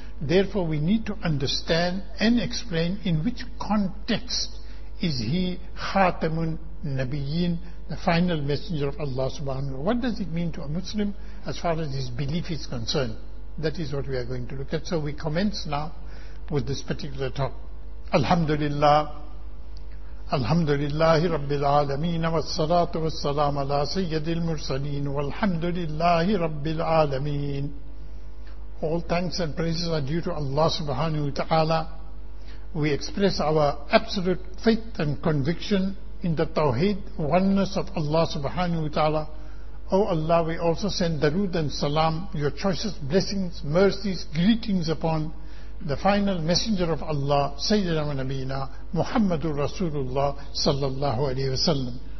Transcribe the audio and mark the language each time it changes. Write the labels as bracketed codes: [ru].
[en] Therefore, we need to understand and explain in which context is he Khatamun Nabiyyin, the final messenger of Allah subhanahu wa ta'ala. What does it mean to a Muslim as far as his belief is concerned? That is what we are going to look at. So we commence now with this particular talk. Alhamdulillah. [ar] الحمد لله رب العالمين والصلاة والسلام على سيد المرسلين والحمد لله رب العالمين. [en] All thanks and praises are due to Allah subhanahu wa ta'ala. We express our absolute faith and conviction in the tawheed, oneness of Allah subhanahu wa ta'ala. O Allah, we also send darud and salam, your choicest blessings, mercies, greetings upon the final messenger of Allah, Sayyidina wa Nabiyina, Muhammadur Rasulullah sallallahu alayhi wa sallam.